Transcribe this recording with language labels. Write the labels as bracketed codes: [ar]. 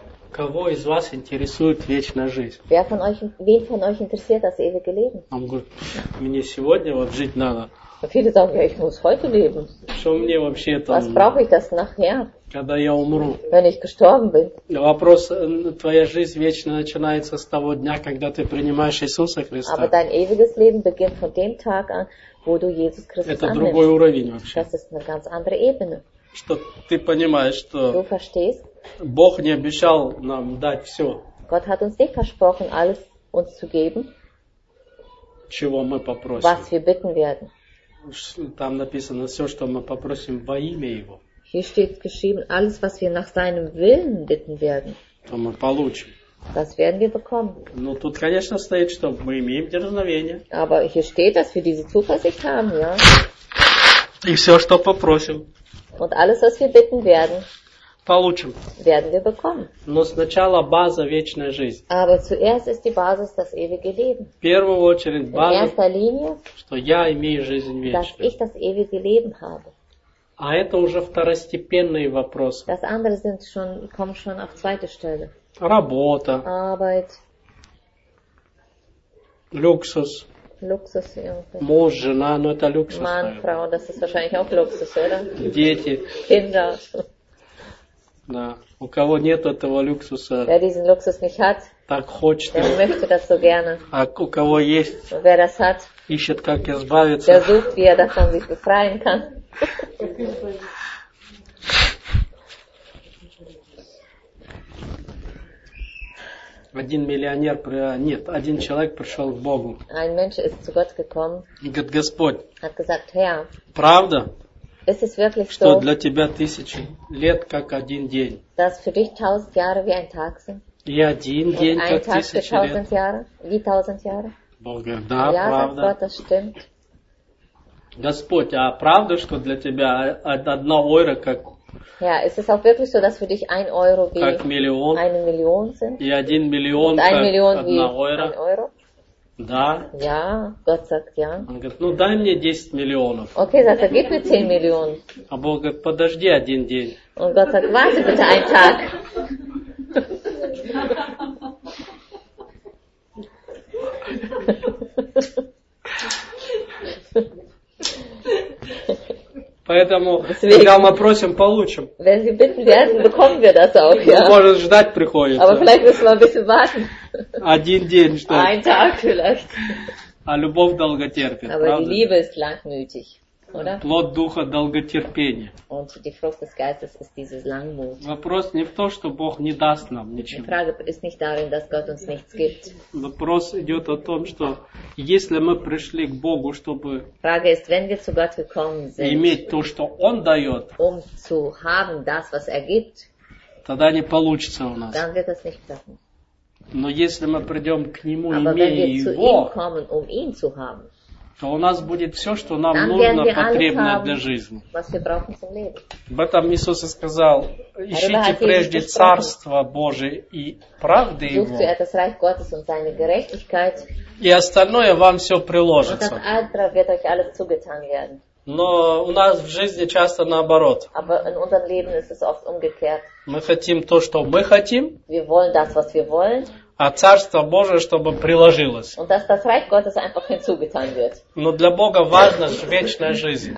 [ru] Кого из вас интересует вечная жизнь? [de] Wen von euch interessiert das ewige Leben? [ru] Он говорит, мне сегодня вот жить надо. [de] Viele sagen, ja, ich muss heute leben. [ru] Что мне вообще там? [de] Was brauche ich das nachher? [ru] Когда я умру. [de] Wenn ich gestorben bin. [ru] Вопрос, твоя жизнь вечно начинается с того дня, когда ты принимаешь Иисуса Христа. [de] Aber dein ewiges Leben beginnt von dem Tag an, wo du Jesus Christus annimmst. [ru] Это другой уровень вообще. [de] Das ist eine ganz andere Ebene. [ru] Что ты понимаешь, что [de] du verstehst? [ru] Бог не обещал нам дать все. [de] Gott hat uns nicht versprochen, alles uns zu geben. [ru] Чего мы попросим. [de] Was wir bitten werden. [ru] Там написано все, что мы попросим во имя Его. [de] Hier steht geschrieben, alles, was wir nach seinem Willen bitten werden. [ru] То мы получим. [de] Das werden wir bekommen. [ru] Ну, тут, конечно, стоит, что мы имеем дерзновение. [de] Aber hier steht, dass wir diese Zuversicht haben, ja. [ru] И все, что попросим. [de] Und alles, was wir bitten werden. [ru] Получим. [de] Werden wir bekommen. [ru] Но сначала база вечная жизнь. [de] Aber zuerst ist die Basis das ewige Leben. [ru] В первую очередь база, [de] in erster Linie, [ru] что я имею жизнь вечную. [de] Dass ich das ewige Leben habe. [ru] А это уже второстепенные вопросы. [de] Das andere sind schon, kommen schon auf zweite Stelle. [ru] Работа. [de] Arbeit. Luxus. Luxus, [ru] ja. Муж, жена, но это люксус. [de] Mann, Frau, das ist wahrscheinlich auch Luxus, oder? [ru] Дети. [de] Kinder. [ru] Да. У кого нет этого люксуса, [de] wer diesen Luxus nicht hat, [ru] так хочет, [de] der möchte das so gerne. [ru] А у кого есть, [de] wer das hat, [ru] ищет, как избавиться, [de] der sucht, wie er davon sich befreien kann. [ru] Один миллионер, нет, один человек пришел к Богу. [de] Ein Mensch ist zu Gott gekommen. [ru] И говорит, Господь, [de] hat gesagt, Herr, [ru] правда? [de] Ist es wirklich [ru] что [de] so, [ru] для тебя тысячи лет как один день? [de] Dass für dich tausend Jahre wie ein Tag sind? [ru] И один день как тысяча лет? [de] Jahre, wie tausend Jahre? [ru] Бог говорит, да, [de] ja, [ru] правда. [de] Gott, das stimmt. [ru] Господь, а правда, что для тебя одна ойра как? [de] Ja, ist es auch wirklich so, dass für dich ein Euro wie [ru] как миллион, [de] eine Million sind? [ru] И один миллион [de] und [ru] как [de] ein Million [ru] одна [de] wie [ru] ойра? [de] Ein Euro? [ru] Да. [de] Ja, Gott sagt ja. [ru] Он говорит, ну дай мне 10 миллионов. [de] Okay, sagt er, gib mir 10 Millionen. [ru] А Бог говорит, подожди один день. [de] Und Gott sagt, warte bitte einen Tag. [ru] В Поэтому, когда мы просим, получим. [de] Wenn Sie bitten werden, bekommen wir das auch, ja. [ru] Может, ждать приходится. [de] Aber vielleicht müssen wir ein bisschen warten. [ru] Один день ждать. [de] Ein Tag vielleicht. [ru] А любовь долготерпит, [de] aber [ru] правда? [de] Die Liebe ist langmütig, oder? [ru] Плод Духа долготерпение. [de] Und die Frucht des Geistes ist dieses Langmut. [ru] Вопрос не в том, что Бог не даст нам ничего. [de] Die Frage ist nicht darin, dass Gott uns nichts gibt. [ru] Вопрос идет о том, что если мы пришли к Богу, чтобы [de] Frage ist, wenn wir zu Gott gekommen sind, [ru] иметь то, что Он дает, [de] um zu haben das, was er gibt, [ru] тогда не получится у нас. [de] Dann wird es nicht klappen. [ru] Но если мы придем к Нему, [de] aber [ru] имея [de] wenn wir [ru] Его, [de] zu ihm kommen, um ihn zu haben, [ru] то у нас будет все, что нам нужно, потребное [de] haben, [ru] для жизни. [de] Was wir brauchen zum Leben. [ru] Об этом Иисус и сказал, ищите прежде Царство Божие и правды [de] Его, das Reich Gottes und seine Gerechtigkeit, [ru] и остальное вам все приложится. [de] Und das andere wird euch alles zugetan werden. [ru] Но у нас в жизни часто наоборот. [de] Aber in unserem Leben ist es oft umgekehrt. [ru] Мы хотим то, что мы хотим. [de] Wir wollen das, was wir wollen. [ru] А Царство Божие, чтобы приложилось. [de] Und dass das Reich Gottes einfach hinzugetan wird. [ru] Но для Бога важна вечная жизнь.